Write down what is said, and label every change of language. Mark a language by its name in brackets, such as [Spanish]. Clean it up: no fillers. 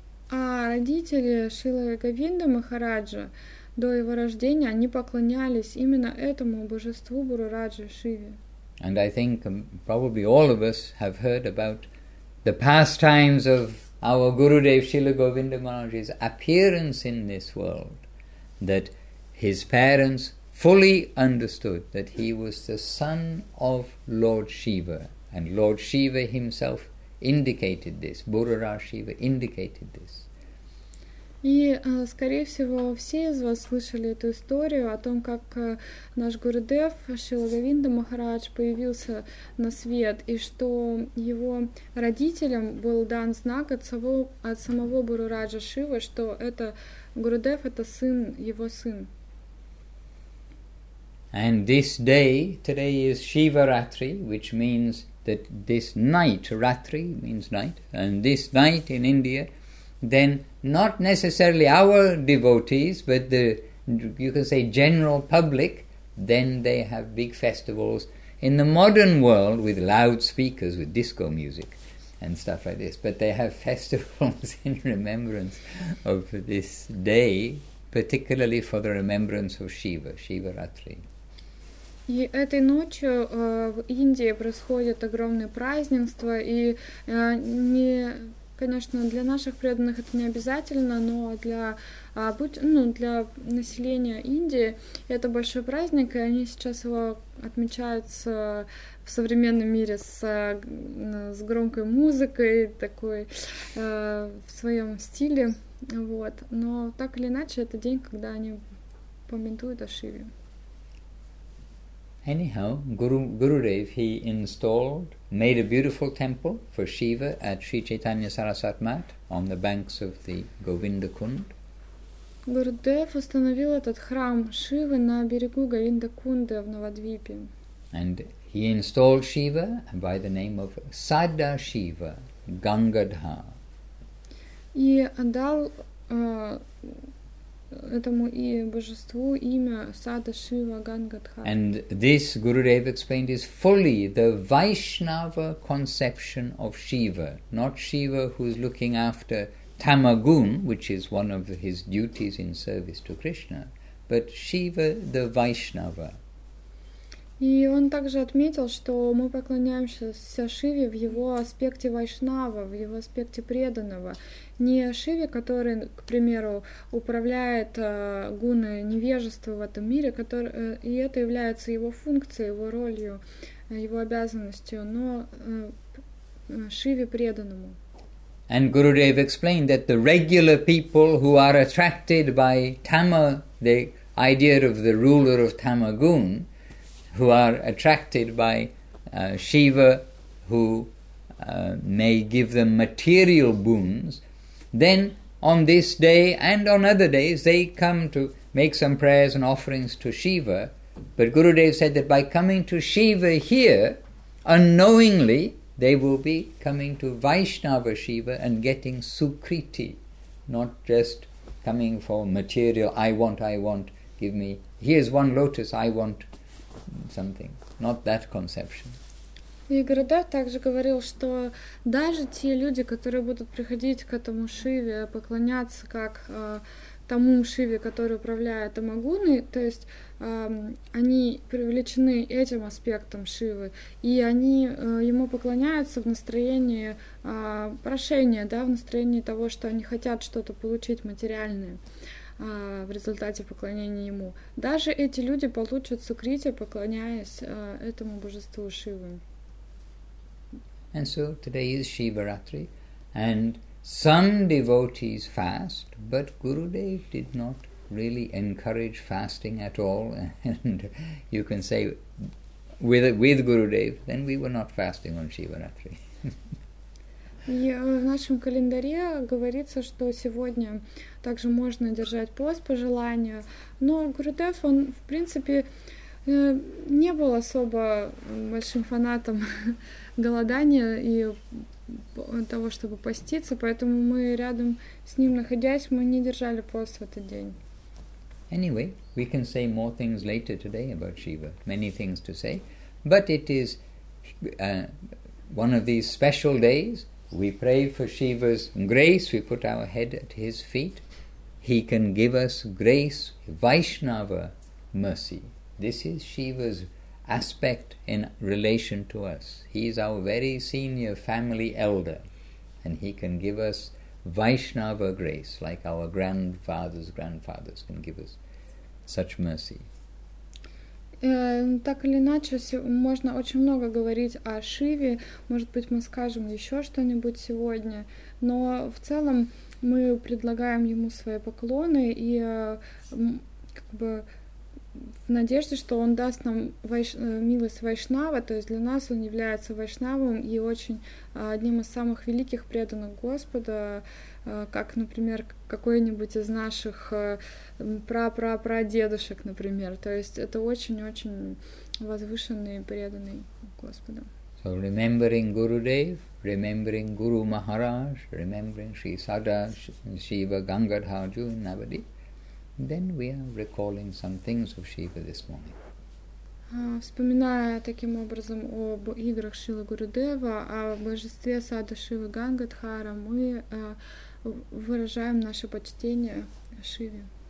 [Russian] А родители Шрилы Говинды Махараджа до его рождения они поклонялись именно этому божеству Бурураджа Шиве. [English] And I think probably all of us have heard about the pastimes of our Gurudev Srila Govinda Maharaj's appearance in this world, that his parents fully understood that he was the son of Lord Shiva, and Lord Shiva himself indicated this, Bururaj Shiva indicated this. [Russian] И, скорее всего, все из вас слышали эту историю о том, как наш Гурудев Шрила Говинда Махарадж появился на свет, и что его родителям был дан знак от самого Бурураджа Шивы, что это Гурудев, это сын, его сын. [English] And this day, today is Shivaratri, which means that this night, Ratri means night, and this night in India, then not necessarily our devotees, but the you can say, general public, then they have big festivals in the modern world with loudspeakers, with disco music and stuff like this. But they have festivals in remembrance of this day, particularly for the remembrance of Shiva, Shiva Ratri. [Russian] И этой ночью в Индии происходит огромное празднество, и не, конечно, для наших преданных это не обязательно, но для для населения Индии это большой праздник, и они сейчас его отмечают в современном мире с громкой музыкой, такой в своем стиле, вот. Но так или иначе это день, когда они памятуют о Шиве. [English] Anyhow, Gurudev, he installed, made a beautiful temple for Shiva at Sri Chaitanya Sarasat Math on the banks of the Govinda Kund. [Russian] Gurudev установил этот храм Шивы на берегу Говинда Кунды в Навадвипе. [English] And he installed Shiva by the name of Sada Shiva, Gangadha. [Russian] И отдал этому и божеству имя Сада Шива Гангадха. [English] And this, Gurudev explained, is fully the Vaishnava conception of Shiva, not Shiva who is looking after Tamagun, which is one of his duties in service to Krishna, but Shiva the Vaishnava. [Russian] И он также отметил, что мы поклоняемся Шиве в его аспекте вайшнава, в его аспекте преданного. Не Шиве, который, к примеру, управляет гуной невежества в этом мире, который, и это является его функцией, его ролью, его обязанностью, но Шиве преданному. [English] And Gurudev explained that the regular people who are attracted by Tama, the idea of the ruler of Tamagun, who are attracted by Shiva, who may give them material boons, then on this day and on other days, they come to make some prayers and offerings to Shiva. But Gurudev said that by coming to Shiva here, unknowingly, they will be coming to Vaishnava Shiva and getting Sukriti, not just coming for material, I want, give me, here's one lotus, I want something, not that conception. [Russian] И Гурудев также говорил, что даже те люди, которые будут приходить к этому Шиве, поклоняться как тому Шиве, который управляет Тамагуны, то есть они привлечены этим аспектом Шивы, и они ему поклоняются в настроении прошения, да, в настроении того, что они хотят что-то получить материальное в результате поклонения ему. Даже эти люди получат сукрити, поклоняясь этому божеству Шиве. [English] And so today is Shivaratri, and some devotees fast, but Gurudev did not really encourage fasting at all. And you can say, with Gurudev, then we were not fasting on Shivaratri. [Russian] И в нашем календаре говорится, что сегодня также можно держать пост по желанию, но Гурудев, он, в принципе, не был особо большим фанатом голодания и того, чтобы поститься, поэтому мы рядом с ним находясь, мы не держали пост в этот день. [English] Anyway, we can say more things later today about Shiva. Many things to say. But it is one of these special days. We pray for Shiva's grace, we put our head at his feet. He can give us grace, Vaishnava mercy. This is Shiva's aspect in relation to us. He is our very senior family elder, and he can give us Vaishnava grace, like our grandfathers' grandfathers can give us such mercy. [Russian] Так или иначе, можно очень много говорить о Шиве. Может быть, мы скажем еще что-нибудь сегодня. Но в целом мы предлагаем ему свои поклоны и как бы в надежде, что он даст нам милость Вайшнава. То есть для нас он является Вайшнавом и очень одним из самых великих преданных Господа, как, например, какой-нибудь из наших прапрапрадедушек, например. То есть это очень-очень возвышенный и преданный Господу. [English] So remembering Gurudev, remembering Guru Maharaj, remembering Sri Sada, Shiva Gangadharju, Navadi, Then we are recalling some things of Shiva this morning. [Russian] Вспоминая таким образом об играх Шилы Гурудева, о божестве Сада Шивы Гангадхара, мы выражаем наше почтение Шиве.